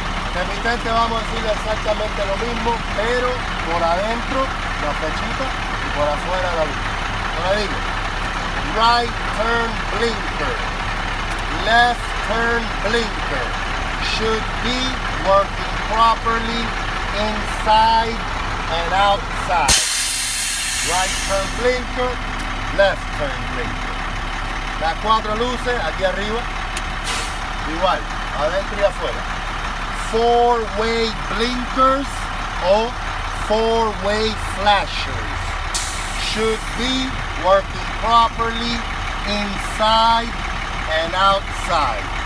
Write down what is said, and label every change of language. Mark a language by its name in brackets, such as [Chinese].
[Spanish] Intermitentes vamos a decir exactamente lo mismo, pero por adentro la flechita y por afuera la luz. ¿Cómo la digo? [English] Right turn blinker. Left turn blinker should be working properly inside and outside. Right turn blinker, left turn blinker. [Spanish] Las cuatro luces aquí arriba, igual, adentro y afuera. [English] Four-way blinkers or four-way flashers should be working properly inside and outside.